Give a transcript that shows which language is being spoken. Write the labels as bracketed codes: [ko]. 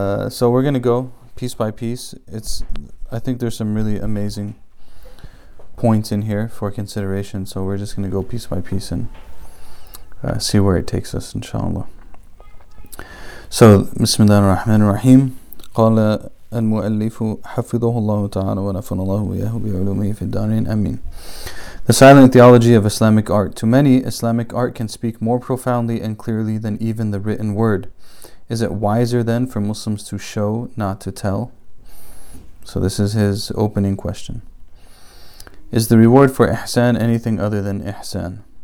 [en] So we're going to go piece by piece. I think there's some really amazing points in here for consideration. So we're just going to go piece by piece and see where it takes us, inshallah. So, Bismillah ar-Rahman ar-Rahim. [ar] قال المؤلف حفظه الله تعالى ونفعنا الله وياه بعلومه في الدارين امين. [en] The Silent Theology of Islamic Art. To many, Islamic art can speak more profoundly and clearly than even the written word. Is it wiser then for Muslims to show, not to tell? So this is his opening question. Is the reward for ihsan anything other than ihsan?